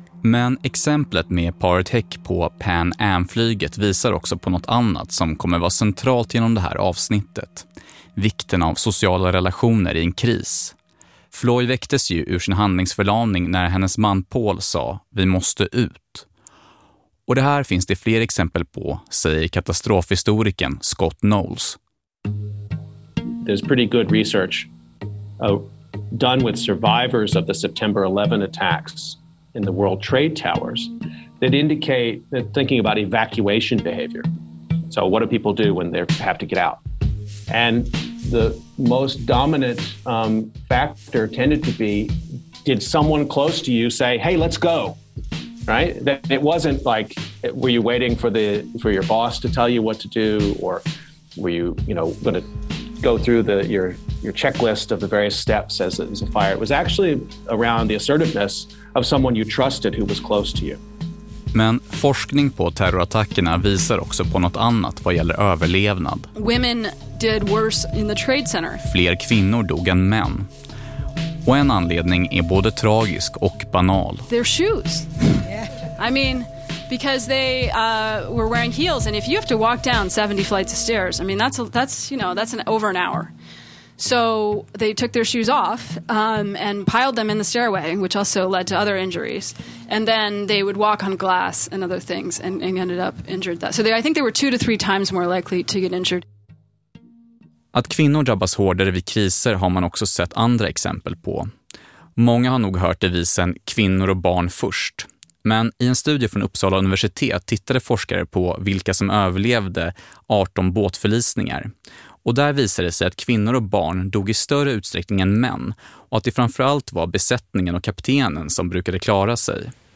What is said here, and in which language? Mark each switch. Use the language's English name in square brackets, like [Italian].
[Swedish] Men exemplet med Pirate Heck på Pan Am-flyget visar också på något annat som kommer vara centralt genom det här avsnittet. Vikten av sociala relationer i en kris. Floy väcktes ju ur sin handlingsförlamning när hennes man Paul sa "Vi måste ut." Och det här finns det fler exempel på, säger katastrofhistorikern Scott Knowles. [English] There's pretty good research done with survivors of the September 11 attacks in the World Trade Towers that indicate that thinking about evacuation behavior. So what do people do when they have to get out? And the most dominant factor tended to be, did someone close to you say, hey, let's go? Right? That it wasn't like, were you waiting for your boss to tell you what to do, or were you, you know, going to go through your checklist of the various steps as a fire? It was actually around the assertiveness of someone you trusted who was close to you. [Swedish] Men forskning på terrorattackerna visar också på något annat vad gäller överlevnad. [English] Women did worse in the Trade Center. [Swedish] Fler kvinnor dog än män. Och en anledning är både tragisk och banal. [English] Their shoes. I mean, because they were wearing heels, and if you have to walk down 70 flights of stairs, I mean that's you know, that's over an hour. So they took their shoes off and piled them in the stairway, which also led to other injuries. And then they would walk on glass and other things and ended up injured. That. So I think they were 2 to 3 times more likely to get injured. [Swedish] Att kvinnor drabbas hårdare vid kriser har man också sett andra exempel på. Många har nog hört devisen kvinnor och barn först. Men i en studie från Uppsala universitet tittade forskare på vilka som överlevde 18 båtförlisningar. Och där visade det sig att kvinnor och barn dog i större utsträckning än män och att det framförallt var besättningen och kaptenen som brukade klara sig.